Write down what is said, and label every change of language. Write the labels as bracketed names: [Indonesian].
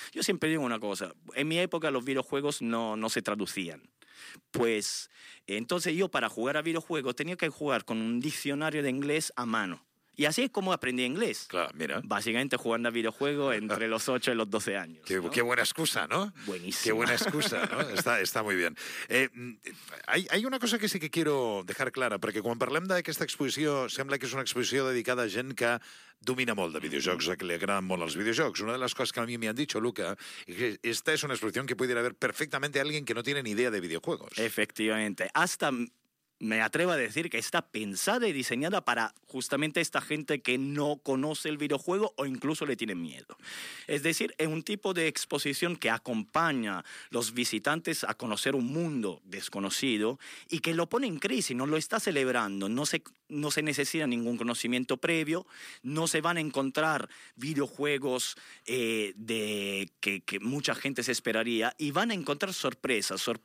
[Spanish] Yo siempre digo una cosa. En mi época los videojuegos no se traducían. Pues entonces yo para jugar a videojuegos tenía que jugar con un diccionario de inglés a mano. Y así es como aprendí inglés. Claro, mira. Básicamente jugando a videojuego entre los 8 y los 12 años. Qué buena excusa, ¿no? Buenísimo. Qué buena excusa, ¿no? Está muy bien. Hay una cosa que sí que quiero dejar clara, [Catalan] perquè quan parlem d'aquesta exposició, sembla que és una exposició dedicada a gent que domina molt de videojocs, que li agraden molt els videojocs. Una de les coses que a mi m'han dit, Luca, és que esta és una exposició que podria haver [Spanish] perfectamente alguien que no tiene ni idea de videojuegos. Efectivamente. Hasta me atrevo a decir que está pensada y diseñada para justamente esta gente que no conoce el videojuego o incluso le tiene miedo. Es decir, es un tipo de exposición que acompaña a los visitantes a conocer un mundo desconocido y que lo pone en crisis, no lo está celebrando, no se necesita ningún conocimiento previo, no se van a encontrar videojuegos que mucha gente se esperaría y van a encontrar sorpresa